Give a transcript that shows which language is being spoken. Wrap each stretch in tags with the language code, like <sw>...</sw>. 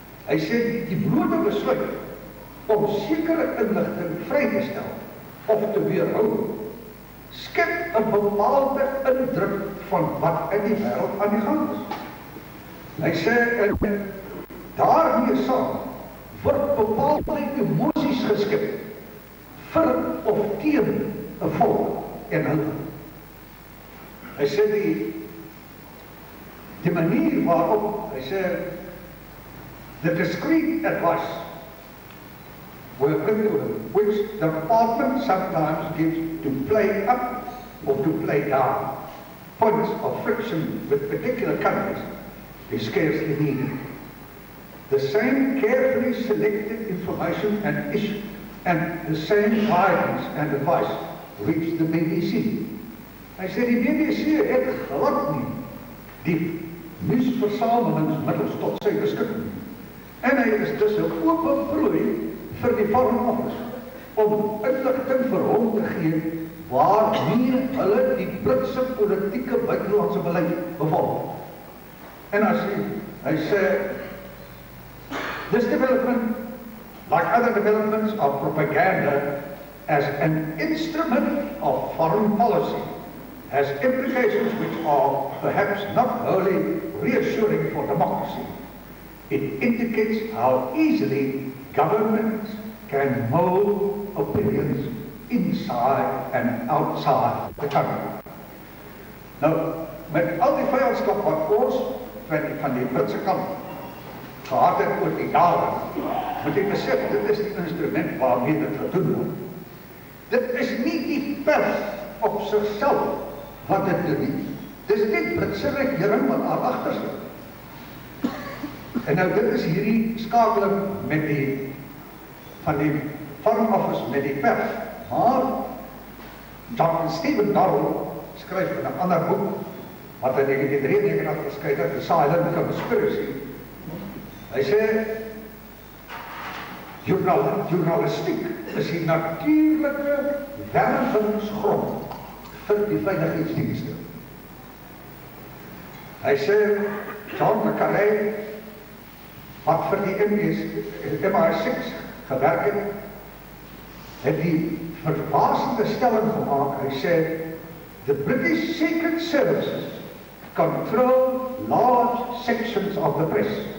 <af>Hy sê die blote besluit om sekere inligting vry te stel of te weerhou, skep 'n bepaalde indruk van wat in die wêreld aan die gang is. Hy sê daarmee saam word bepaalde emosies geskep vir of teen 'n volk en hulle. Hy sê die manier waarop, hy sê,</af> <en>the discreet advice which the department sometimes gives to play up or to play down points of friction with particular countries is scarcely needed. The same carefully selected information and issue and the same guidance and advice reach the BBC.</en> <af>Hy sê die BBC het glad nie die nuusversamelingsmiddels tot sy beskikking. En hy is dus 'n oop prooi vir die Foreign Office om inligting vir hom te gee waarmee hulle die Britse politieke buitelandse beleid bevolg. En as hy sê,</af> <en>this development, like other developments of propaganda, as an instrument of foreign policy, has implications which are perhaps not wholly reassuring for democracy. It indicates how easily governments can mold opinions inside and outside the country.</en> <af>Nou, met al die vyandskap wat ons van die Britse kant gehad het oor die jare, moet jy besef, dit is die instrument waarmee dit gedoen word. Dit is nie die pers op sigself wat dit doen nie. Dit is die Britse regering wat daar agter sit. En nou dit is hierdie skakeling met die van die Foreign Office met die pers. Maar John Stephen Darrell skryf in 'n ander boek wat in 1993 verskyn het, The Silent Conspiracy. Hy sê journalistiek is die natuurlike wervingsgrond vir die veiligheidsdienste. Hy sê Jaap Marais, wat vir die MI6 gewerk het die verbaasende stelling gemaak. Hy sê</af> <en>the British Secret Services control large sections of the press.</en>